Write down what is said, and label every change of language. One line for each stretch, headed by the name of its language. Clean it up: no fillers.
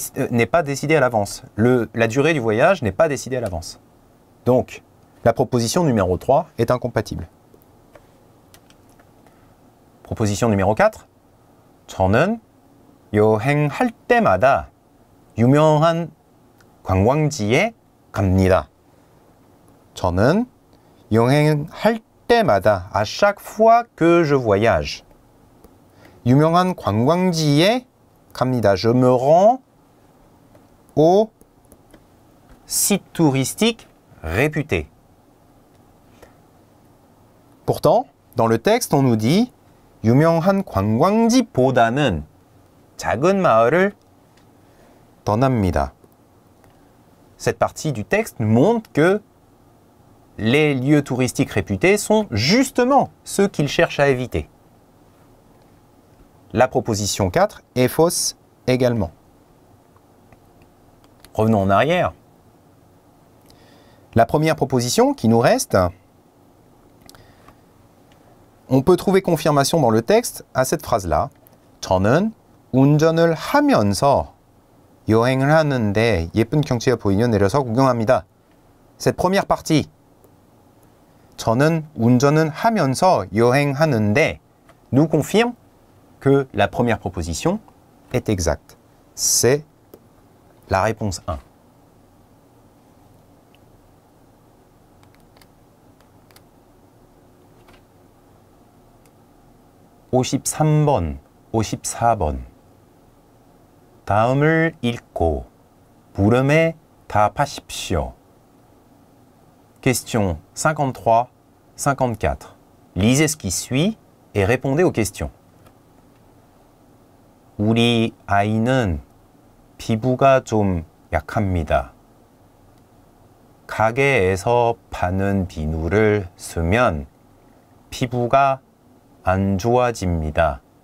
French: n'est pas décidé à l'avance. La durée du voyage n'est pas décidée à l'avance. Donc, la proposition numéro 3 est incompatible. Proposition numéro 4.
Korean: 저는 여행할 때마다 유명한 관광지에 갑니다. 저는 여행할 때마다
French: à chaque fois que je voyage.
Korean: 유명한 관광지에 갑니다.
French: Je me rends au site touristique réputé. Pourtant, dans le texte, on nous dit
Korean: 유명한 관광지보다는 작은 마을을 떠납니다.
French: Cette partie du texte montre que les lieux touristiques réputés sont justement ceux qu'ils cherchent à éviter. La proposition 4 est fausse également. Revenons en arrière. La première proposition qui nous reste, on peut trouver confirmation dans le texte à cette phrase-là.
Korean: 저는 운전을 하면서 여행을 하는데 예쁜 경치가 보이며 내려서 구경합니다.
French: Cette première partie.
Korean: 저는 운전을 하면서 여행하는데
French: nous confirme que la première proposition est exacte. C'est la réponse 1. Au 53번, au 54번.
Korean: 다음을 읽고 물음에 답하십시오.
French: Question 53, 54. Lisez ce qui suit et répondez aux questions.
Korean: 우리 아이는 피부가 좀 약합니다. 가게에서 파는 비누를 쓰면 피부가 안 좋아집니다.